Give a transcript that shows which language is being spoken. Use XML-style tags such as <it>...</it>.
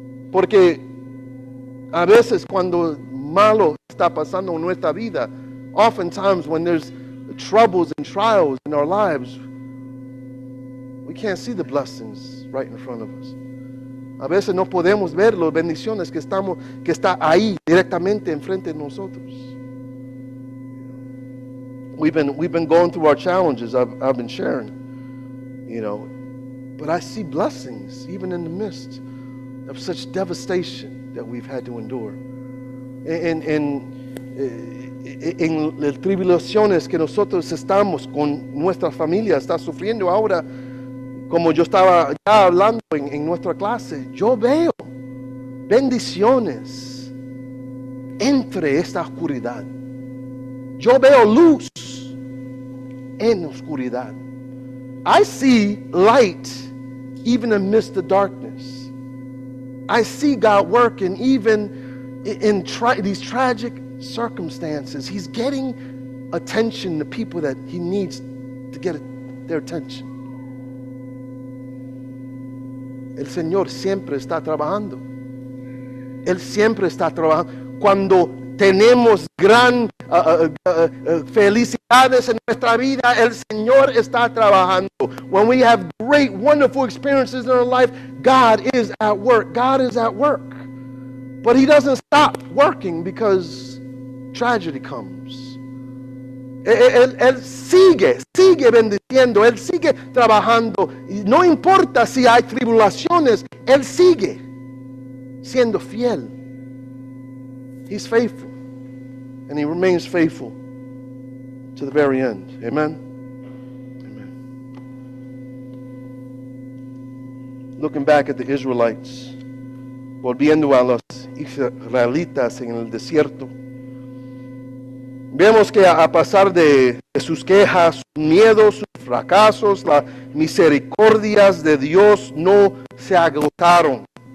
<es>Porque a veces cuando malo está pasando en nuestra vida,</es> <en>oftentimes when there's troubles and trials in our lives, we can't see the blessings right in front of us.</en> <es>A veces no podemos ver las bendiciones que está ahí directamente enfrente de nosotros.</es> <en>We've been going through our challenges. I've been sharing, you know, but I see blessings even in the midst of such devastation that we've had to endure.</en> <es>En las tribulaciones que nosotros estamos con nuestra familia, está sufriendo ahora, como yo estaba ya hablando en nuestra clase, yo veo bendiciones entre esta oscuridad. Yo veo luz en oscuridad.</es> <en>I see light even amidst the darkness. I see God working even in these tragic circumstances. He's getting attention to people that He needs to get their attention.</en> <es>El Señor siempre está trabajando. Él siempre está trabajando. Cuando tenemos gran felicidades en nuestra vida, el Señor está trabajando.</es> <en>When we have great, wonderful experiences in our life, God is at work. God is at work. But He doesn't stop working because tragedy comes.</en> <es>Él sigue bendiciendo, Él sigue trabajando. No importa si hay tribulaciones, Él sigue siendo fiel.</es> <en>He's faithful, and He remains faithful to the very end. Amen. Amen. Looking back at the Israelites,</en> <es>volviendo a los israelitas en el desierto, vemos que a pasar de sus quejas, sus miedos, sus fracasos, las misericordias de Dios no se agotaron.</es>